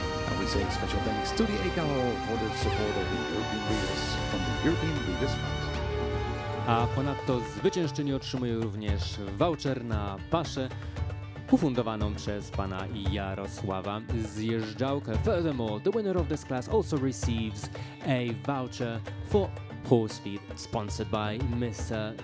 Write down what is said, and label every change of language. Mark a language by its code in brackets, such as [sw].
[en] And we say special thanks to the ECHO for the support of the European Breeders from the European Breeders Fund. [pl] A ponadto zwyciężczyni otrzymuje również voucher na paszę ufundowaną przez pana Jarosława Zjeżdżałkę. [en] Furthermore, the winner of this class also receives a voucher for horse feed sponsored by Mr.